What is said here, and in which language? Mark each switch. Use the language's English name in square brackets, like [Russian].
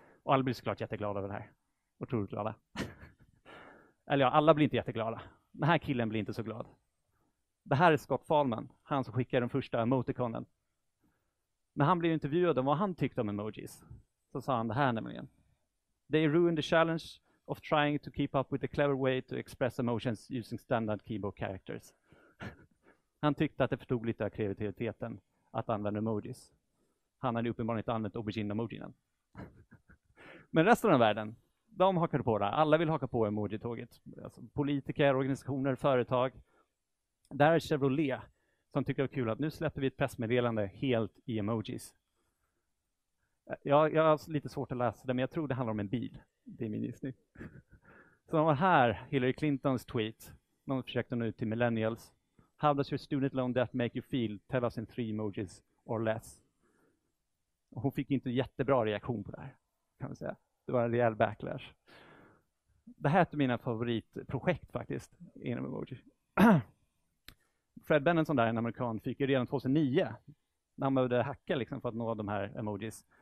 [Swedish] Och alla blir såklart jätteglada över det här. Otroligt glada. Eller ja, alla blir inte jätteglada. Den här killen blir inte så glad. Det här är Scott Fahlman. Han som skickar den första emoticonen. När han blev intervjuad om vad han tyckte om emojis, så sa han det här nämligen. [English] They ruined the challenge of trying to keep up with the clever way to express emotions using standard keyboard characters. [Swedish] Han tyckte att det förtog lite av kreativiteten att använda emojis. Han hade uppenbarligen inte använt aubergine-emojinen. Men resten av världen, de hakar på det. Alla vill haka på emoji-tåget. Alltså politiker, organisationer, företag. Där är Chevrolet som tycker det är kul att nu släpper vi ett pressmeddelande helt i emojis. Jag har lite svårt att läsa det, men jag tror det handlar om en bil. Det är min gissning. Så de var här, Hillary Clintons tweet. Någon försökte nå ut till millennials. [English] How does your student loan debt make you feel? Tell us in 3 emojis or less. [Swedish] Och hon fick inte jättebra reaktion på det här. Kan man säga. Det var en rejäl backlash. Det här är ett av mina favoritprojekt faktiskt. Inom emoji. Fred Benenson där, en amerikan, fick ju redan 2009. När man började hacka liksom, för att nå de här emojis.